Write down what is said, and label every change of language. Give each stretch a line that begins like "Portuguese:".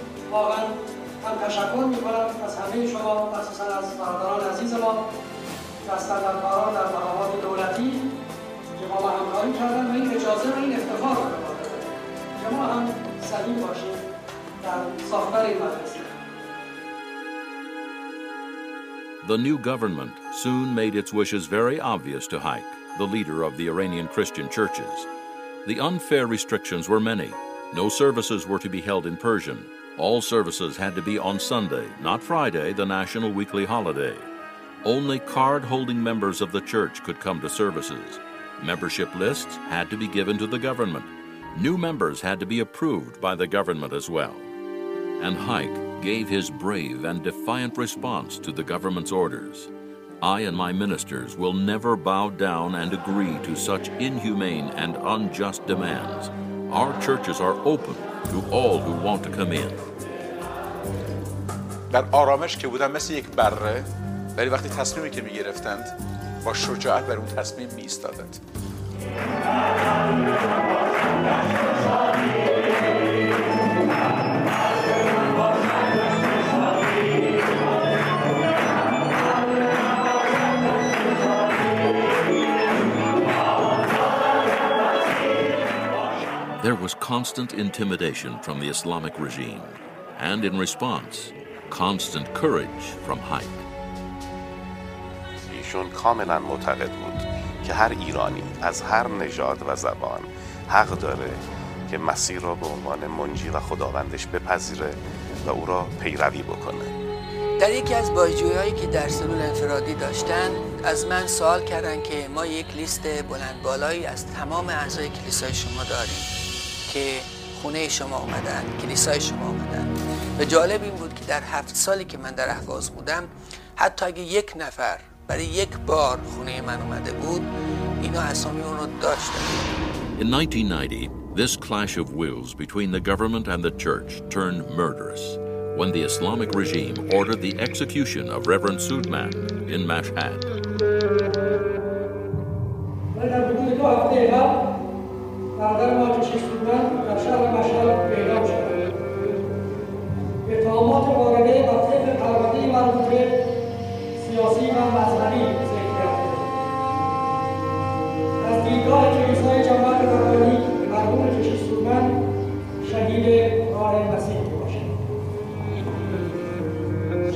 Persian: واقعا من تشکر می‌کنم از همه شما، خصوصا از برادران عزیز ما. دستندرکاران در مقامات دولتی که ما با همکاری کردن و این اجازه و این افتخار را که ما هم سلیم باشیم در ساختار این مدرسه.
English: The new government soon made its wishes very obvious to Haik, the leader of the Iranian Christian churches. The unfair restrictions were many. No services were to be held in Persian. All services had to be on Sunday, not Friday, the national weekly holiday. Only card-holding members of the church could come to services. Membership lists had to be given to the government. New members had to be approved by the government as well. And Haik gave his brave and defiant response to the government's orders. I and my ministers will never bow down and agree to such inhumane and unjust demands. Our churches are open to all who want to come in.
Persian: در آرامش که بودن مثل یک بره، ولی وقتی تصمیمی که می‌گرفتند با شجاعت بر اون تصمیم می‌ایستادند.
English: There was constant intimidation from the Islamic regime, and in response, constant courage from Haik.
Persian: ایشون کاملا معتقد بود که هر ایرانی از هر نژاد و زبان حق داره که مسیر را به عنوان منجی و خداوندش بپذیره و او را پیروی بکنه. در یکی از بازجویی‌هایی که در سلول انفرادی داشتن از من سوال کردن که ما یک لیست بلند بالایی از تمام اعضای کلیسای شما داریم که خونه شما آمدن، کلیسای شما آمدن. و جالب این بود که در 7 سالی که من در اهواز بودم، حتی اگه یک نفر برای یک بار خونه من آمده بود، اینا اسامی اونو داشتن.
English: In 1990, this clash of wills between the government and the church turned murderous when the Islamic regime ordered the execution of Reverend Sudman in Mashhad.
Persian: برادر ما چه سودمند در شهر مشهد اعلام شده اتهامات وارده و طبق پرونده مربوطه سیاسی و مذهبی ذکر کرده از دیدگاه کلیسای جماعت ربانی مرحوم چه سودمند شهید راه مسیح میباشد